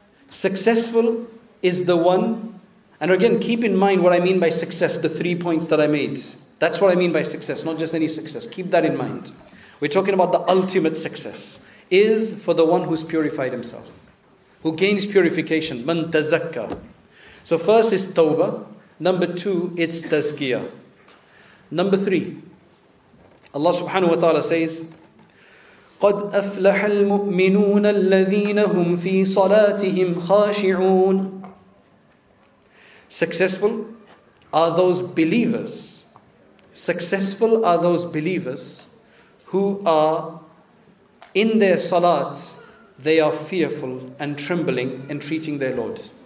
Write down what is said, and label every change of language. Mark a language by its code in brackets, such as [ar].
[en] Successful is the one, and again, keep in mind what I mean by success, the 3 points that I made. That's what I mean by success, not just any success. Keep that in mind. We're talking about the ultimate success. Is for the one who's purified himself, who gains purification. [ar] Man tazakka. [en] So first is tawbah. Number two, it's tazkiyah. Number three, Allah subhanahu wa ta'ala says, [ar] قَدْ أَفْلَحَ الْمُؤْمِنُونَ الَّذِينَ هُمْ فِي صَلَاتِهِمْ خَاشِعُونَ. [en] Successful are those believers. Successful are those believers who are in their salat, they are fearful and trembling, entreating their Lord.